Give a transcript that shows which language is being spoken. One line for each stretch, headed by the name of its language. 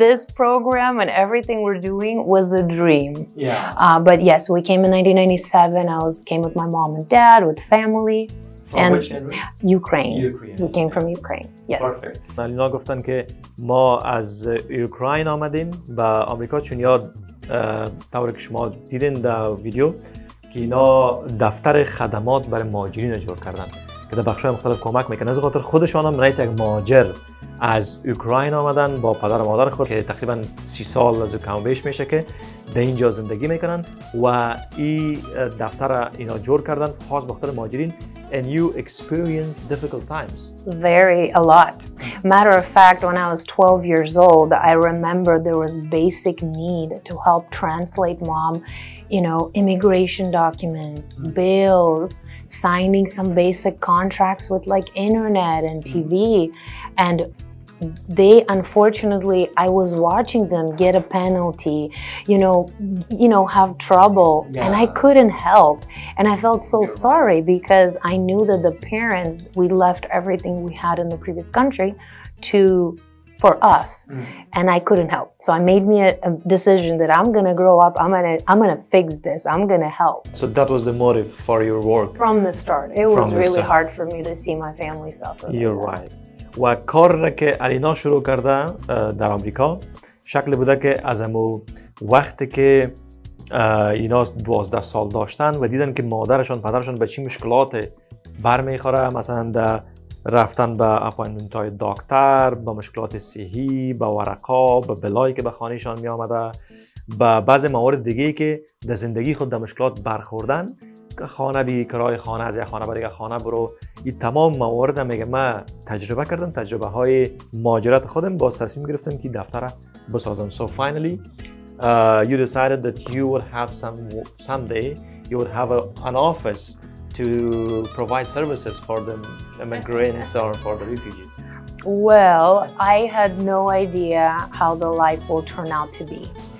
English: This program and everything we're doing was a dream. Yeah. But yes, we came in 1997. I came with my mom and dad, with family. From and which Ukraine. Ukraine. We came from Ukraine. Yes. Perfect.
Persian: اینا گفتن که ما از اوکراین آمدیم با آمریکا چون یاد طور که شما دیدین در ویدیو که اینا دفتر خدمات برای مهاجرین جور کردن که در بخش‌های مختلف کمک میکنن. از خاطر خودشان هم رئیس یک مهاجر از اوکراین آمدن با پدر و مادر خود که تقریبا 30 سال از کم بیش میشه که در اینجا زندگی میکنن و این دفتر اینا جور کردن خاص بخاطر مهاجرین.
English: And you experience difficult times. Very, a lot. Matter of fact, when I was 12 years old, I remember there was basic need to help translate mom, you know, immigration documents, bills, signing some basic contracts with like internet and TV. And they, unfortunately, I was watching them get a penalty, you know, have trouble. Yeah. And I couldn't help. And I felt so sorry because I knew that the parents, we left everything we had in the previous country for us. Mm. And I couldn't help. So I made me a decision that I'm going to grow up. I'm going to fix this. I'm going to help. So that was the motive for your work. From the start. It was really hard for me to see my family suffer. You're right.
Persian: و کار را که علینا شروع کرده در آمریکا شکل بوده که از امو وقتی که اینا 12 سال داشتن و دیدن که مادرشان پدرشان به چی مشکلات برمیخوره، مثلا در رفتن به اپوینتمنت های دکتر، به مشکلات صحی، به ورقا، به بلایی که به خانهشان میامده، به بعض موارد دیگه که در زندگی خود در مشکلات برخوردن، خانه بی کرای خانه، از یک خانه به دیگه خانه برو، این تمام موارد هم میگه من تجربه کردم، تجربه های مهاجرت خودم، باز تصمیم گرفتم که دفتر بسازم.
English: So finally you decided that you would have someday you would have an office to provide services for the immigrants or for the refugees. Well, I had no idea how the life will turn out to be.